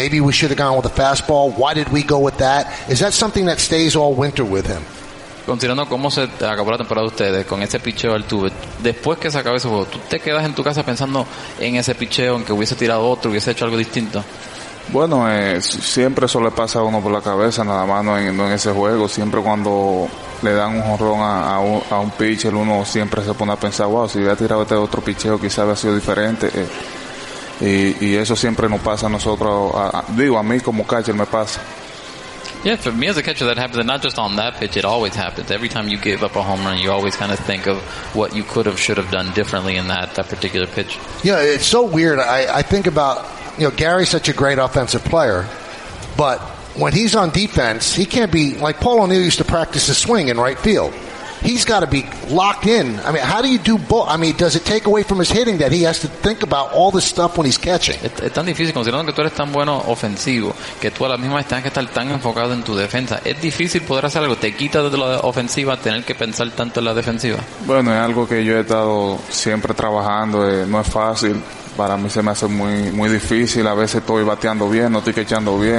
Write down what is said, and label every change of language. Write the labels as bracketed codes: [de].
[en] Maybe we should have gone with a fastball. Why did we go with that? Is that something that stays all winter with him? [es] Considerando cómo se acabó la temporada de ustedes con ese picheo al tuve, después que se acabó ese juego, ¿tú te quedas en tu casa pensando en ese picheo, en que hubiese tirado otro, hubiese hecho algo distinto? Bueno, siempre eso le pasa a uno por la cabeza, nada más no en ese juego. Siempre cuando le dan un jonrón a un pitcher, uno siempre se pone a pensar, wow, si hubiera tirado este otro picheo, quizás hubiera sido diferente. Y eso siempre nos pasa a nosotros, a mí como catcher me pasa. [en] Yeah, for me as a catcher, that happens, and not just on that pitch, it always happens. Every time you give up a home run, you always kind of think of what you could have, should have done differently in that particular pitch. Yeah, it's so weird. I think about, you know, Gary's such a great offensive player, but when he's on defense, he can't be, like Paul O'Neill used to practice his swing in right field. He's got to be locked in. I mean, how do you do both? I mean, does it take away from his hitting that he has to think about all this stuff when he's catching? [es] Es tan difícil, considerando que tú eres tan bueno ofensivo, que tú a la misma tienes que estar tan enfocado en tu defensa. Es difícil poder hacer algo. Te quita de la ofensiva tener que pensar tanto en la defensiva. Bueno, es algo que yo he estado siempre trabajando. No es fácil. Para mí se me hace muy, muy difícil. A veces estoy bateando bien, no estoy echando bien.